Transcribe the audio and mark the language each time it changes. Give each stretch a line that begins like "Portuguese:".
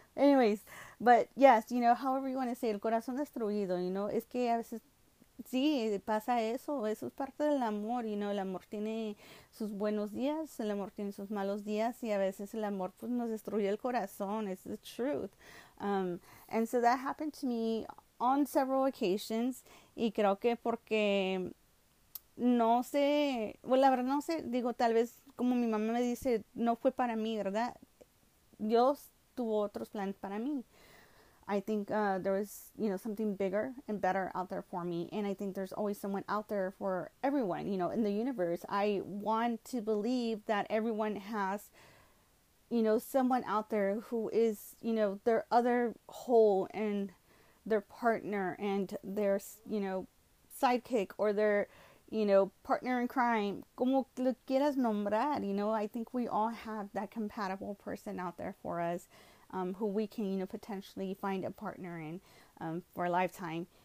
English: Anyways, but yes, you know, however you want to say,
Spanish: el corazón destruido,
English: you know,
Spanish: es que a veces sí pasa eso. Eso es parte del amor,
English: you know.
Spanish: El amor tiene sus buenos días, el amor tiene sus malos días, y a veces el amor pues nos destruye el corazón.
English: It's the truth. And so that happened to me on several occasions.
Spanish: Y creo que porque no sé, bueno, la verdad no sé, digo, tal vez como mi mamá me dice, no fue para mí, ¿verdad? Dios tuvo otros planes para mí.
English: I think there was, you know, something bigger and better out there for me. And I think there's always someone out there for everyone, you know, in the universe. I want to believe that everyone has, you know, someone out there who is, you know, their other whole and their partner and their, you know, sidekick or their, you know, partner in crime,
Spanish: como lo quieras nombrar,
English: you know. I think we all have that compatible person out there for us, who we can, you know, potentially find a partner in, for a lifetime.